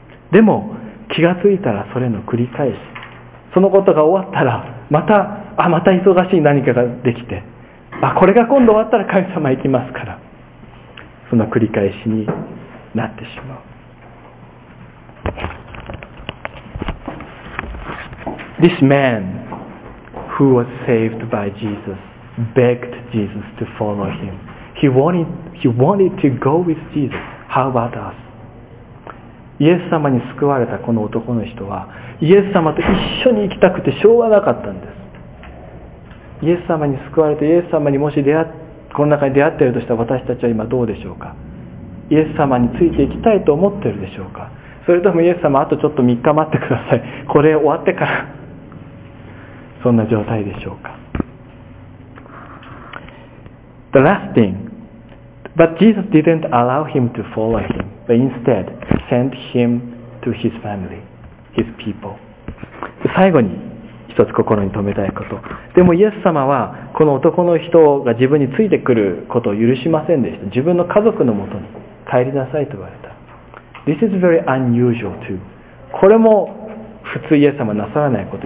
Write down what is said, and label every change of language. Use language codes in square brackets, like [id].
[ja] でも気がついたらそれの繰り返し、そのことが終わったらまた忙しい何かができて、あ、これが今度終わったら神様行きますから、その繰り返しになってしまう。 [en] This man who was saved by Jesus begged Jesus to follow him. He wanted to go with JesusHow about us? [ja] イエス様に救われたこの男の人は、イエス様と一緒に行きたくてしょうがなかったんです。イエス様に救われて、イエス様にもし出会っこの中に出会っているとしたら、私たちは今どうでしょうか。イエス様についていきたいと思っているでしょうか。それともイエス様、あとちょっと3日待ってください、これ終わってから、そんな状態でしょうか。 [en] The last thing, but Jesus didn't allow him to follow him, but instead sent him to his family, his people. [ja] 最後に一つ心に留めたいこと、でもイエス様はこの男の人が自分についてくることを許しませんでした。自分の家族のもとに帰りなさいと言われた。 [en] This is very unusual too. [ja] これも普通イエス様なさらないこと。